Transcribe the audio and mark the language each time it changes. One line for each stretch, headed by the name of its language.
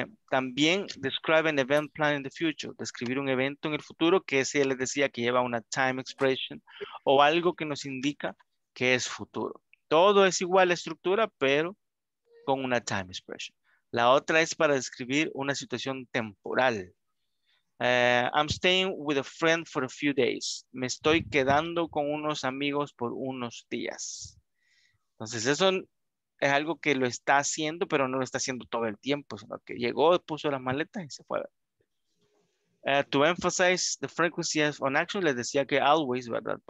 Spanish: También,
English: describe an event plan in the future.
Spanish: Describir un evento en el futuro, que ese ya les decía que lleva una time expression, o algo que nos indica que es futuro. Todo es igual la estructura, pero con una time expression. La otra es para describir una situación temporal.
English: I'm staying with a friend for a few days.
Spanish: Me estoy quedando con unos amigos por unos días. Entonces eso es algo que lo está haciendo, pero no lo está haciendo todo el tiempo, sino que llegó, puso las maletas y se fue.
English: To emphasize the frequency of an action,
Spanish: les decía que
English: always,
Spanish: ¿verdad?